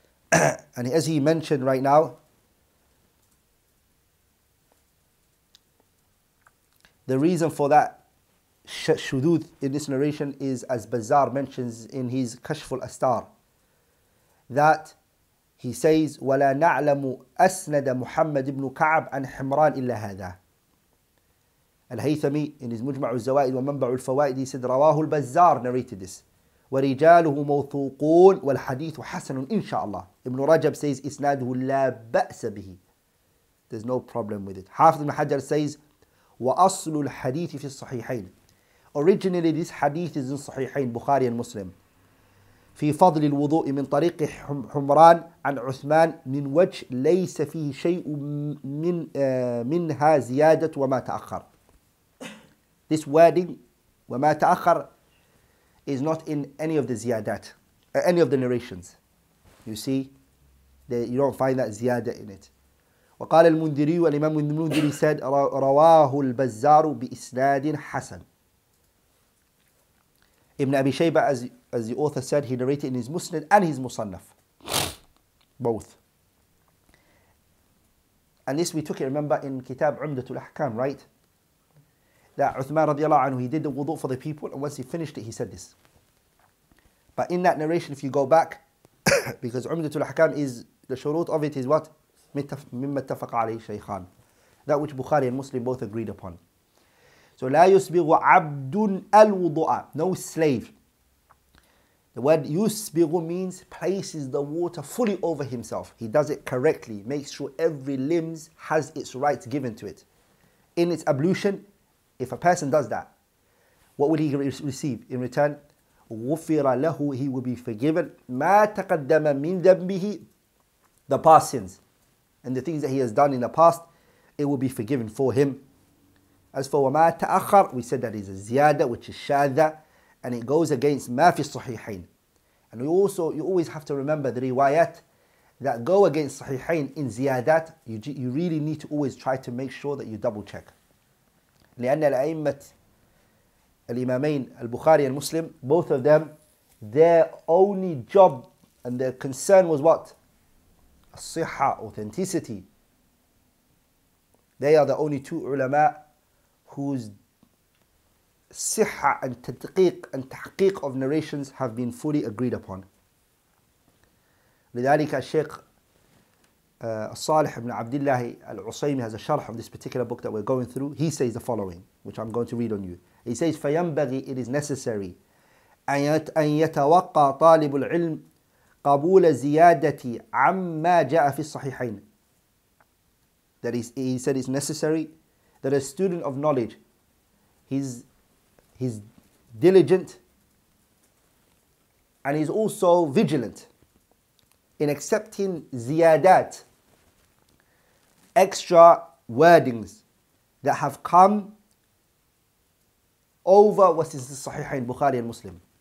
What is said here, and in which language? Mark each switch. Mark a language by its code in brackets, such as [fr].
[en] And as he mentioned right now, the reason for that shudud in this narration is, as Bazzar mentions in his Kashful Astar, that he says, [ar] وَلَا نَعْلَمُ أَسْنَدَ مُحَمَّدْ إِبْنُ كَعْبْ عَنْ حِمْرَانِ إِلَّا هَذَا. [en] Al-Haythami, in his Mujma'u al-Zawaid wa Manba'u al-Fawaid, he said, [ar] رَوَاهُ [en] Bazzar narrated this. [ar] وَرِجَالُهُ مَوْثُوقُونَ وَالْحَدِيثُ حَسَنٌ إِنْشَاءَ. [en] Ibn Rajab says, [ar] إِسْنَادُهُ لَا بَأْسَ بِهِ. [en] There's no problem with it. Hafiz ibn Hajar says, [ar] وَأَصْلُ الْحَدِيثِ فِي الصَّحِيحَيْنِ. [en] Originally, this hadith is in Sahihain, Bukhari and Muslim. [ar] في فضل الوضوء من طريق حمران عن عثمان من وجه ليس فيه شيء من منها زيادة وما تأخر. [en] This wording, [ar] وما تأخر, [en] is not in any of the ziyadat, any of the narrations. You see, you don't find that زيادة in it. [ar] وقال المنذري والإمام المنذري [en] said, [ar] رواه البزار بإسناد حسن. [en] Ibn Abi Shayba, as the author said, he narrated in his Musnad and his Musannaf, both. And this we took it, remember, in Kitab Umdatul Ahkam, right? That Uthman radiallahu anhu, he did the wudu for the people, and once he finished it, he said this. But in that narration, if you go back, because Umdatul Ahkam is the shurut of it is what? [ar] Mimma ittafaqa alayhi shaykhan. [en] That which Bukhari and Muslim both agreed upon. So [ar] لا يسبغ عبد الوضوء. [en] No slave. The word يسبغ means places the water fully over himself. He does it correctly, makes sure every limbs has its rights given to it. In its ablution, if a person does that, what will he receive in return? [ar] غفر له, [en] he will be forgiven. [ar] ما تقدم من ذنبه, [en] the past sins. And the things that he has done in the past, it will be forgiven for him. As for [ar] وما تأخر, [en] we said that is a ziyada, which is shadha, and it goes against [ar] ما في الصحيحين. [en] And we also, you always have to remember the riwayat that go against صحيحين in ziyadat, you really need to always try to make sure that you double check. [ar] لأن الأئمة الإمامين البخاري [en] and Muslim, both of them, their only job and their concern was what? الصحة, authenticity. They are the only two ulama whose siha and tadqiq and tahqiq of narrations have been fully agreed upon. [ar] لذلك الشيخ الصالح ابن عبد الله العصيمي [en] has a sharh of this particular book that we're going through. He says the following, which I'm going to read on you. He says, [ar] فَيَنْبَغِي, [en] it is necessary, [ar] أَنْ يَتَوَقَّى طَالِبُ الْعِلْمِ قَبُولَ زِيَادَةِ عَمَّا جَاءَ فِي الصَّحِحَيْنِ. [en] That is, he said it's necessary that a student of knowledge, he's diligent and he's also vigilant in accepting ziyadat, extra wordings that have come over what is the Sahihain, Bukhari and Muslim.